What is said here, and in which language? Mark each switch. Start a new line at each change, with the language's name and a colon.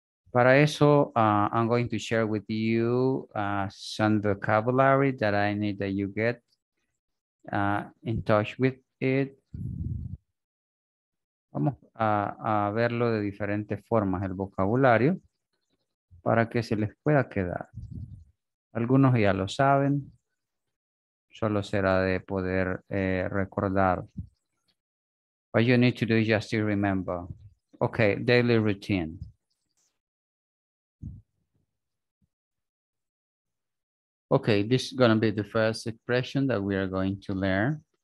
Spanish: Para eso,
English: I'm going to share with you some vocabulary that I need that you get in touch with it.
Spanish: Vamos a verlo de diferentes formas, el vocabulario, para que se les pueda quedar. Algunos ya lo saben, solo será de poder recordar.
English: What you need to do is just to remember. Okay, daily routine. Okay, this is gonna be the first expression that we are going to learn.